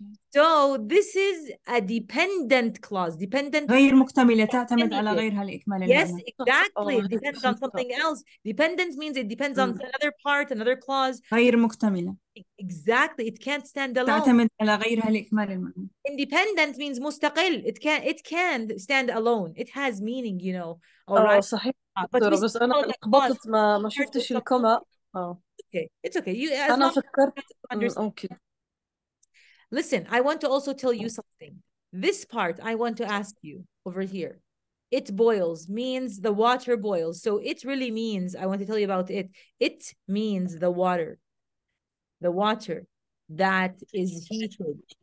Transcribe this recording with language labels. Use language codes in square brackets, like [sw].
[en] So this is a dependent clause. Dependent. [ar] غير مكتملة تعتمد على غيرها لإكمال المعنى. [en] Yes, exactly. It depends on something else. Dependent means it depends on another part, another clause. [ar] غير مكتملة. [en] Exactly. It can't stand alone. [ar] تعتمد على غيرها لإكمال المعنى. [en] Independent means مستقل. It can stand alone. It has meaning, you know. All right. صحيح. [ar] بس أنا قبضت ما شفتش الكما. [en] Okay. It's okay. You. [ar] أنا فكرت. Okay. [en] Listen, I want to also tell you something. This part, I want to ask you over here. It boils means the water boils. So it really means, I want to tell you about it. It means the water that is heated.